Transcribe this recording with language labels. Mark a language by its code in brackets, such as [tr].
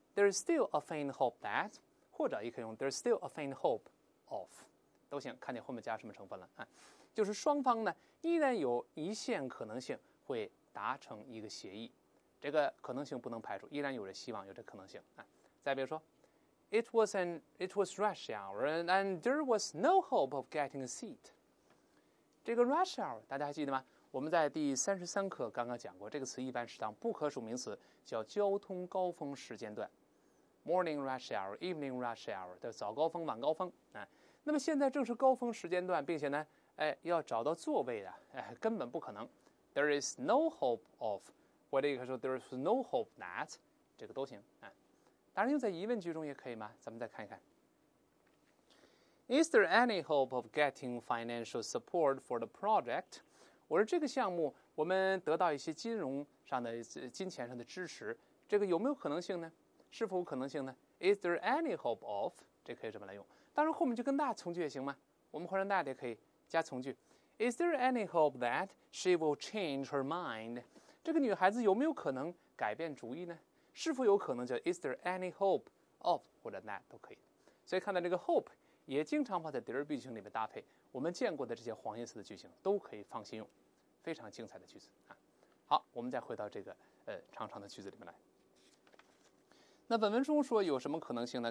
[en] There's still a faint hope that， [zh] 或者也可以用 [en] There's still a faint hope of， [zh] 都行，看你后面加什么成分了啊。就是双方呢，依然有一线可能性会达成一个协议，这个可能性不能排除，依然有着希望，有着可能性啊。再比如说。 [en] It was rush hour, and there was no hope of getting a seat. [zh] 这个 rush hour 大家还记得吗？我们在第33课刚刚讲过，这个词一般是当不可数名词，叫交通高峰时间段 ， [en] morning rush hour, evening rush hour [zh] 的早高峰、晚高峰啊。那么现在正是高峰时间段，并且呢，哎，要找到座位的，哎，根本不可能。 [en] There is no hope of， [zh] 或者也可以说 [en] there is no hope that， [zh] 这个都行啊。当然用在疑问句中也可以吗？咱们再看一看。 [en] Is there any hope of getting financial support for the project? [zh] 我说这个项目，我们得到一些金融上的、金钱上的支持，这个有没有可能性呢？是否有可能性呢 ？ [en] Is there any hope of? [zh] 这可以怎么来用？当然后面就跟 that 从句也行吗？我们换成 that 也可以加从句。 [en] Is there any hope that she will change her mind? [zh] 这个女孩子有没有可能改变主意呢？是否有可能叫 [en] Is there any hope of [zh] 或者 that 都可以。所以看到这个 hope 也经常放在 there 句型里面搭配，我们见过的这些黄颜色的句型都可以放心用，非常精彩的句子啊。好，我们再回到这个长长的句子里面来。那本文中说有什么可能性呢？